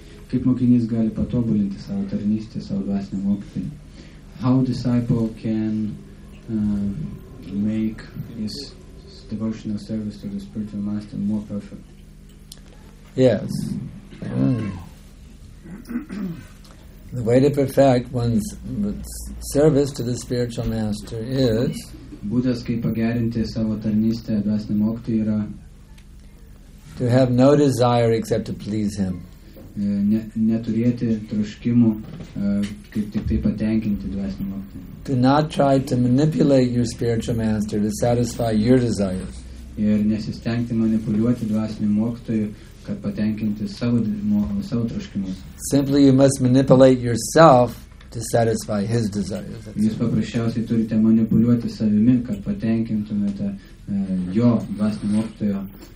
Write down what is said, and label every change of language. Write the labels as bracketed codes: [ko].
[lt] Kaip mokinys gali patobulinti savo tarnystę, savo dvasinę mokytį? [en] How disciple can make his devotional service to the spiritual master more perfect? Yes. The way to perfect one's service to the spiritual master is [lt] Būdas kaip pagerinti savo tarnystę dvasinę mokytį yra [en] to have no desire except to please him. [lt] Neturėti troškimų, kaip tik tai patenkinti dvasinį mokytoją. [en] Do not try to manipulate your spiritual master to satisfy your desires. [lt] Ir nesistengti manipuliuoti dvasinį mokytoją, kad patenkinti savo troškimus. [en] Simply you must manipulate yourself to satisfy his desires. [lt] Jūs paprasčiausiai turite manipuliuoti savimi, kad patenkintumėte jo dvasinį mokytoją.